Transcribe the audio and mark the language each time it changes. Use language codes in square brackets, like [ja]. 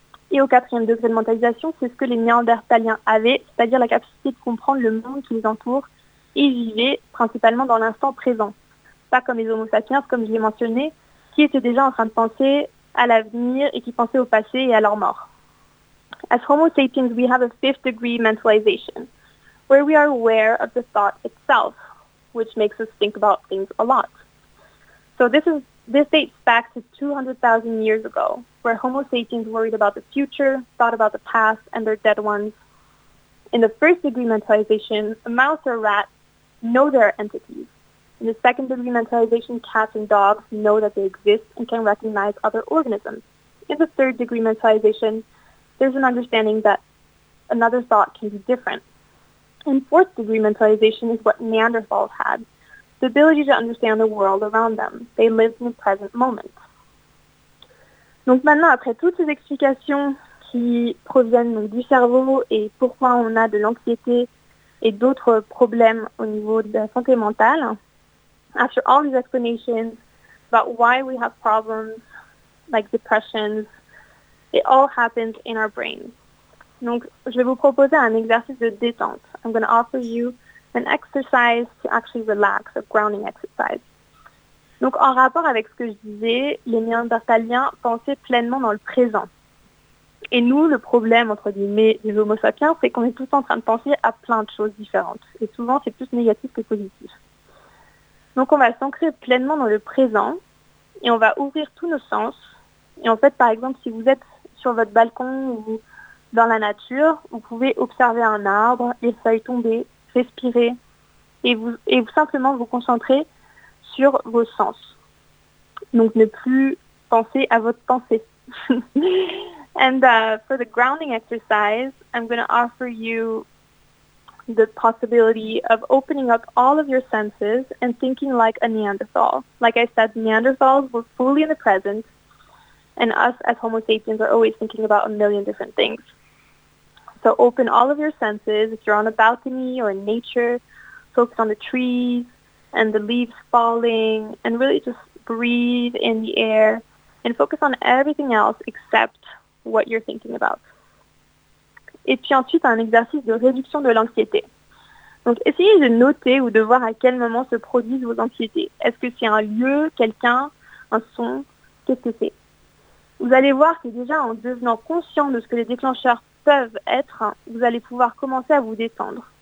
[fr] Et au quatrième degré de mentalisation, c'est ce que les Néandertaliens avaient, c'est-à-dire la capacité de comprendre le monde qui les entoure et vivaient principalement dans l'instant présent. Pas comme les Homo sapiens, comme je l'ai mentionné, qui étaient déjà en train de penser à l'avenir et qui pensaient au passé et à leur mort. [en] As Homo sapiens, we have a fifth degree mentalization, where we are aware of the thought itself, which makes us think about things a lot. So this dates back to 200,000 years ago, where Homo sapiens worried about the future, thought about the past and their dead ones. In the first degree mentalization, a mouse or a rat know their entities. In the second degree mentalization, cats and dogs know that they exist and can recognize other organisms. In the third degree mentalization, there's an understanding that another thought can be different. And fourth degree mentalization is what Neanderthals had, the ability to understand the world around them. They lived in the present moment. [fr] Donc maintenant, après toutes ces explications qui proviennent donc, du cerveau et pourquoi on a de l'anxiété et d'autres problèmes au niveau de la santé mentale. [en] After all these explanations about why we have problems like depressions, it all happens in our brain. [fr] Donc, je vais vous proposer un exercice de détente. [en] I'm going to offer you an exercise to actually relax, a grounding exercise. [fr] Donc, en rapport avec ce que je disais, les Néandertaliens pensaient pleinement dans le présent. Et nous, le problème, entre guillemets, des Homo sapiens, c'est qu'on est tous en train de penser à plein de choses différentes. Et souvent, c'est plus négatif que positif. Donc, on va s'ancrer pleinement dans le présent et on va ouvrir tous nos sens. Et en fait, par exemple, si vous êtes sur votre balcon ou dans la nature, vous pouvez observer un arbre, les feuilles tomber, respirer et simplement vous concentrer sur vos sens. Donc, ne plus penser à votre pensée. [en] And for the grounding exercise, I'm going to offer you the possibility of opening up all of your senses and thinking like a Neanderthal. Like I said, Neanderthals were fully in the present, and us as Homo sapiens are always thinking about a million different things. So open all of your senses. If you're on a balcony or in nature, focus on the trees and the leaves falling, and really just breathe in the air and focus on everything else except what you're thinking about. [fr] Et puis ensuite, un exercice de réduction de l'anxiété. Donc, essayez de noter ou de voir à quel moment se produisent vos anxiétés. Est-ce que c'est un lieu, quelqu'un, un son, qu'est-ce que c'est? Vous allez voir que déjà en devenant conscient de ce que les déclencheurs peuvent être, vous allez pouvoir commencer à vous détendre.